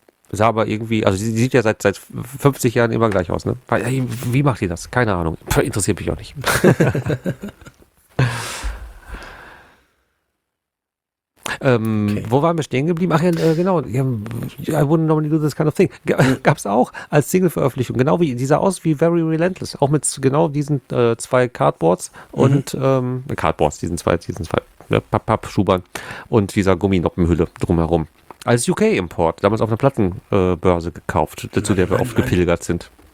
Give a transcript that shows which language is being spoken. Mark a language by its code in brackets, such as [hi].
[de] Sah aber irgendwie, also sie sieht ja seit 50 Jahren immer gleich aus, ne? Wie macht die das? Keine Ahnung. Interessiert mich auch nicht. okay. Wo waren wir stehen geblieben? Ach ja, genau. [en] I wouldn't normally do this kind of thing. [de] Gab's auch als Single-Veröffentlichung. Genau wie, die sah aus wie Very Relentless. Auch mit genau diesen zwei Cardboards und, Cardboards, diesen zwei Papp-Schubern und dieser Gumminoppenhülle drumherum. Als UK-Import, damals auf einer Plattenbörse gekauft, gepilgert sind.